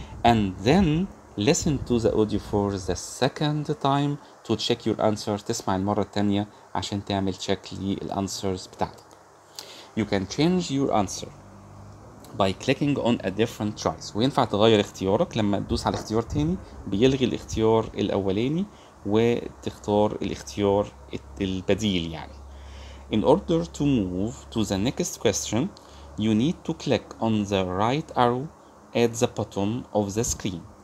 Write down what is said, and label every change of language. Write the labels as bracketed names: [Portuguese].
[English] And then listen to the audio for the second time to check your answers. [Arabic] تسمع المرة التانية عشان تعمل check للانسرز بتاعتك. [English] You can change your answer by clicking on a different choice. [Arabic] وينفع تغير اختيارك، لما تدوس على اختيار تاني بيلغي الاختيار الاولاني وتختار الاختيار البديل يعني. [English] In order to move to the next question you need to click on the right arrow at the bottom of the screen.